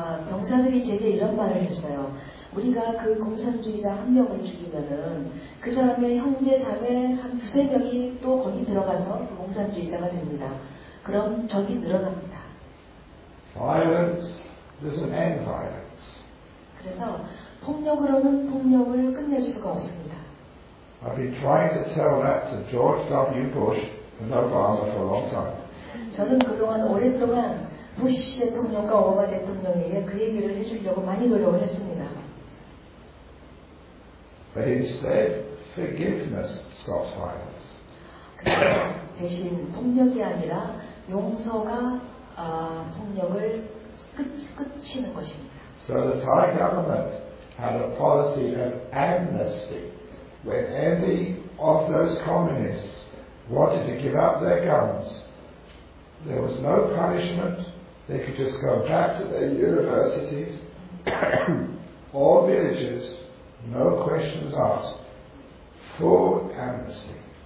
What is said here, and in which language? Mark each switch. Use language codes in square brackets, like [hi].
[ko] 병사들이제게이런말을했어요우리가그공산주의자한명을죽이면은그사람의형제자매한두세명이또거기들어가서그공산주의자가됩니다그럼적이늘어납니다 [en] Violence doesn't end violence. [ko] 그래서폭력으로는폭력을끝낼수가없습니다 [en] I've been trying to tell that to George W. Bush and Obama for a long time. [ko] 저는그동안오랫동안부시대통령과오바마대통령에게그얘기를해주려고많이노력을했습니다 [en] But instead, forgiveness stops violence. [ko] 그래서대신폭력이아니라용서가폭력을끝치는것입니다 [en] So the Thai government had a policy of amnesty when any of those communists wanted to give up their guns. There was no punishment. They could just go back to their universities or villages, no questions asked, full amnesty.